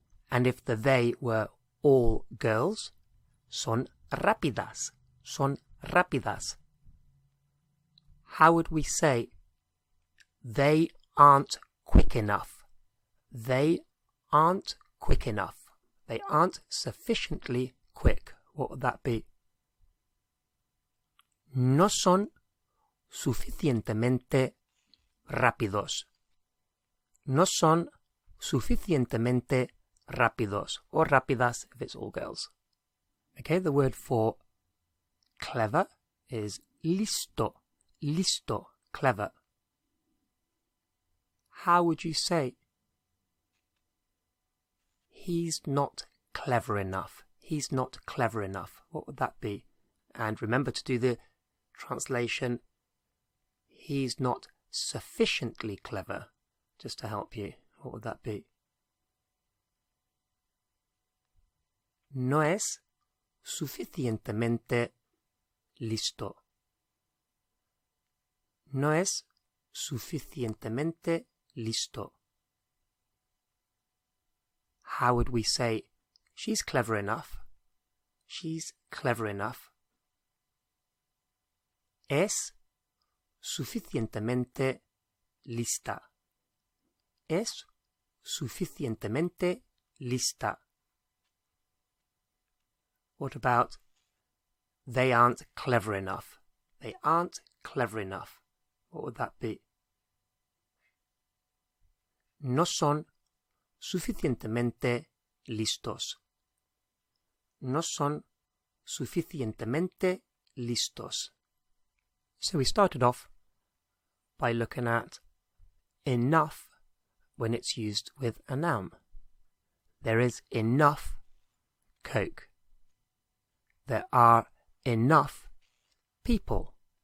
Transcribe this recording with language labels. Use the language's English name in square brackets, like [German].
[English] And if the they were all girls, [Spanish] son rápidas. Son rápidas. [English] How would we say they aren't quick enough? They aren't quick enough. They aren't sufficiently quick. What would that be? [Spanish] No son suficientemente rápidos. No son suficientemente rápidos. [English] Or rápidas if it's all girls. Okay, the word for clever is listo. Listo, clever. How would you say he's not clever enough? He's not clever enough. What would that be? And remember to do the translation, he's not sufficiently clever, just to help you. What would that be? [Spanish] No es suficientemente listo. No es suficientemente listo. [English] How would we say she's clever enough? She's clever enough. [Spanish] Es suficientemente lista. Es suficientemente lista. [English] What about they aren't clever enough? They aren't clever enough. What would that be? [Spanish] No son suficientemente listos. No son suficientemente listos. [English] So we started off by looking at enough when it's used with a noun. There is enough Coke. There are enough people.